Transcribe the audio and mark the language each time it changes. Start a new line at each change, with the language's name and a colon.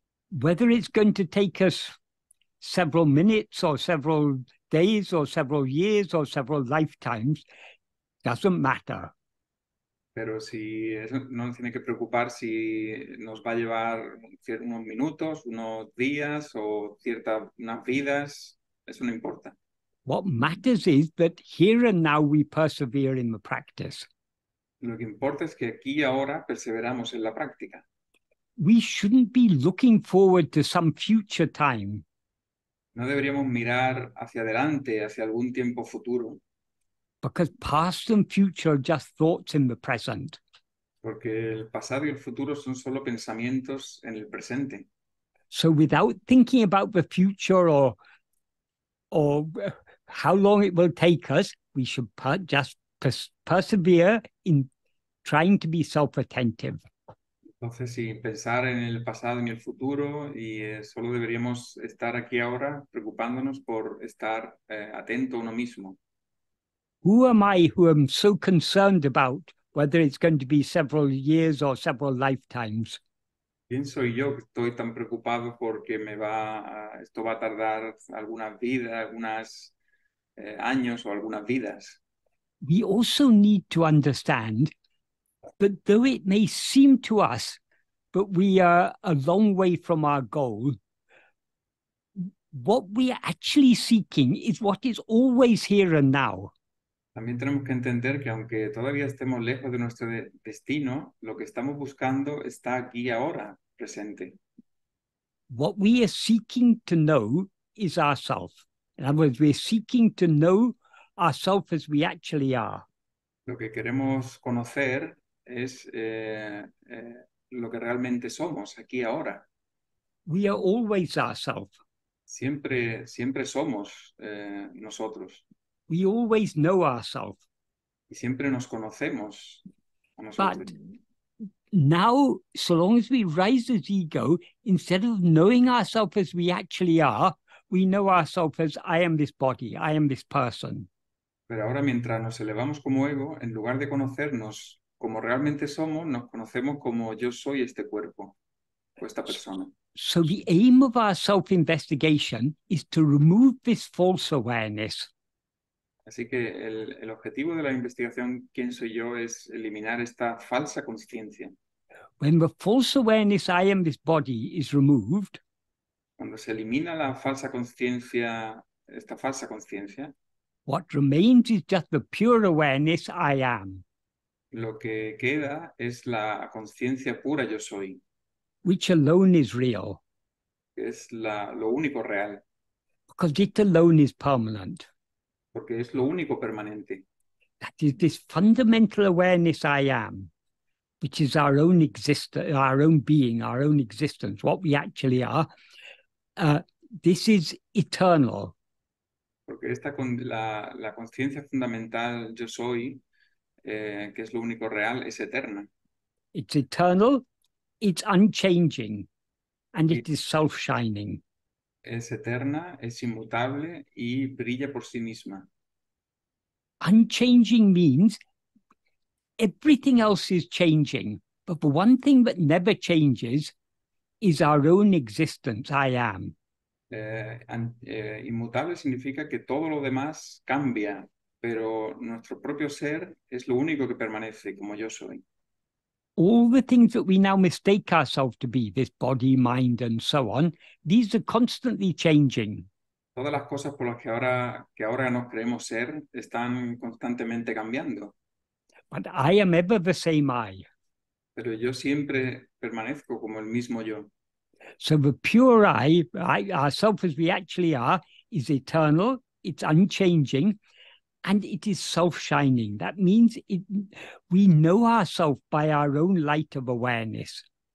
English: Whether it's going to take us several minutes or several days or several years or several lifetimes doesn't matter.
Spanish: Pero si eso no nos tiene que preocupar si nos va a llevar unos minutos, unos días o unas vidas, eso no importa.
English: What matters is that here and now we persevere in the practice.
Spanish: Lo que importa es que aquí y ahora perseveramos en la práctica.
English: We shouldn't be looking forward to some future time.
Spanish: No deberíamos mirar hacia adelante, hacia algún tiempo futuro.
English: Because past and future are just thoughts in the present.
Spanish: Porque el pasado y el futuro son solo pensamientos en el presente.
English: So without thinking about the future or how long it will take us, we should per just pers persevere in trying to be self-attentive.
Spanish: Entonces, sin pensar en el pasado y en el futuro, y solo deberíamos estar aquí ahora preocupándonos por estar atento a uno mismo.
English: Who am I who am so concerned about whether it's going to be several years or several lifetimes?
Spanish: ¿Quién soy yo que estoy tan preocupado porque esto va a tardar algunas vidas, algunos años o algunas vidas?
English: We also need to understand that though it may seem to us that we are a long way from our goal, what we are actually seeking is what is always here and now.
Spanish: También tenemos que entender que aunque todavía estemos lejos de nuestro de destino, lo que estamos buscando está aquí ahora. Presente.
English: What we are seeking to know is ourself. In other words, we're seeking to know ourself as we actually are.
Spanish: Lo que queremos conocer es lo que realmente somos aquí ahora.
English: We are always ourself.
Spanish: Siempre, siempre somos nosotros.
English: We always know ourself.
Spanish: Y siempre nos conocemos a
English: But
Spanish: nosotros.
English: now, so long as we rise as ego, instead of knowing ourselves as we actually are, we know ourselves as I am this body, I am this person.
Spanish: Pero ahora mientras nos elevamos como ego, en lugar de conocernos como realmente somos, nos conocemos como yo soy este cuerpo o esta persona.
English: So the aim of our self-investigation is to remove this false awareness.
Spanish: Así que el objetivo de la investigación, ¿quién soy yo?, es eliminar esta falsa conciencia.
English: When the false awareness, I am this body, is removed,
Spanish: Cuando se elimina la falsa conciencia, esta falsa conciencia,
English: what remains is just the pure awareness I am,
Spanish: lo que queda es la conciencia pura yo soy,
English: which alone is real,
Spanish: que es lo único real,
English: because it alone is permanent.
Spanish: porque es lo único permanente.
English: That is this fundamental awareness I am. Which is our own existence, our own being, our own existence, what we actually are. This is eternal.
Spanish: Porque esta con la conciencia fundamental yo soy. Que es lo único real, es eterna.
English: It's eternal, it's unchanging, and it is self-shining.
Spanish: Es eterna, es inmutable y brilla por sí misma.
English: Unchanging means. Everything else is changing, but the one thing that never changes is our own existence, I am.
Spanish: Inmutable significa que todo lo demás cambia. Pero nuestro propio ser es lo único que permanece, como yo soy.
English: All the things that we now mistake ourselves to be, this body, mind, and so on, these are constantly changing.
Spanish: Todas las cosas por las que ahora nos creemos ser están constantemente cambiando.
English: But I am ever the same I.
Spanish: Pero yo siempre permanezco como el mismo yo.
English: So the pure I, ourself as we actually are, is eternal, it's unchanging, and it is self-shining. That means we know ourselves by our own light of awareness.